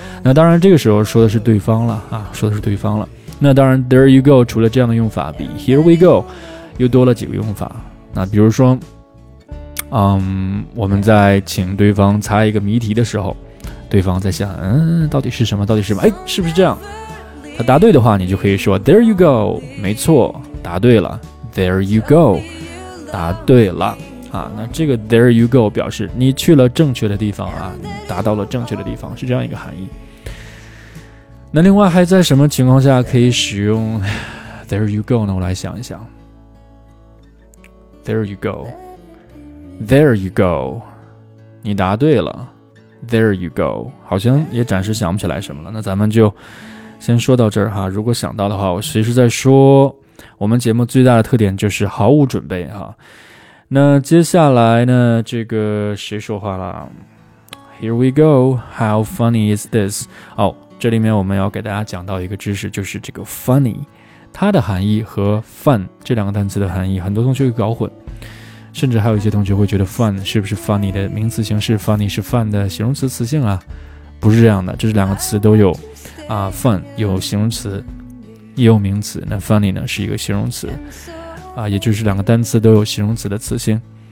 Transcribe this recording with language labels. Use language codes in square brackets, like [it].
[zh] 那当然，这个时候说的是对方了啊，说的是对方了。那当然 ， [en] There you go， [zh] 除了这样的用法，比 [en] Here we go [zh] 又多了几个用法。那比如说，我们在请对方猜一个谜题的时候，对方在想，到底是什么？哎，是不是这样？他答对的话，你就可以说 [en] There you go， [zh] 没错，答对了。 [en] There you go， [zh] 答对了啊。那这个 [en] There you go [zh] 表示你去了正确的地方啊，你达到了正确的地方，是这样一个含义。那另外还在什么情况下可以使用 [en] There you go [zh] 呢？我来想一想。 [en] There you go， There you go， [zh] 你答对了。 [en] There you go. [zh] 好像也暂时想不起来什么了。那咱们就先说到这儿哈。如果想到的话，我其实在说我们节目最大的特点就是毫无准备哈。那接下来呢，这个谁说话了？ [en] Here we go, how funny is this? [zh] 哦，这里面我们要给大家讲到一个知识，就是这个 funny， 它的含义和 fun 这两个单词的含义，很多同学会搞混，甚至还有一些同学会觉得 fun 是不是 funny 的名词形式， funny 是 fun 的形容词词性啊，不是这样的，这是两个词都有啊， fun 有形容词也有名词，那 funny 呢是一个形容词啊，也就是两个单词都有形容词的词性。